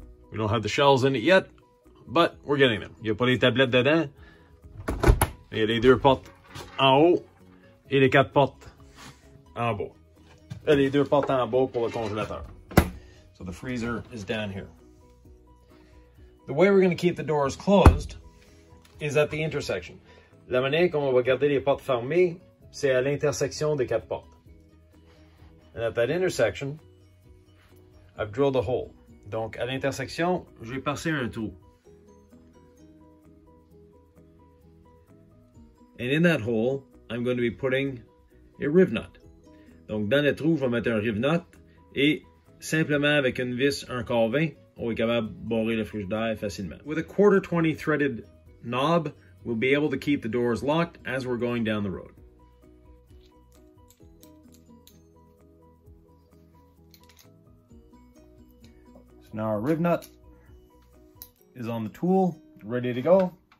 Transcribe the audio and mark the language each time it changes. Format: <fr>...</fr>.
<en>We don't have the shelves in it yet, but we're getting them.</en> <fr>Il n'y a pas les tablettes dedans. Il y a les deux portes en haut et les quatre portes en bas. Et les deux portes en bas pour le congélateur.</fr> <en>So the freezer is down here. The way we're going to keep the doors closed is at the intersection.</en> <fr>La manière qu'on va garder les portes fermées, c'est à l'intersection des quatre portes.</fr> <en>And at that intersection, I've drilled a hole.</en> <fr>Donc, à l'intersection, j'ai percé un trou.</fr> <en>And in that hole, I'm going to be putting a riv nut.</en> <fr>Donc, dans le trou, je vais mettre un riv nut. Et simplement avec une vis 1/20, on est capable de borer le frigidaire facilement.</fr> <en>With a 1/4-20 threaded knob, we'll be able to keep the doors locked as we're going down the road. Now our riv nut is on the tool, ready to go.</en>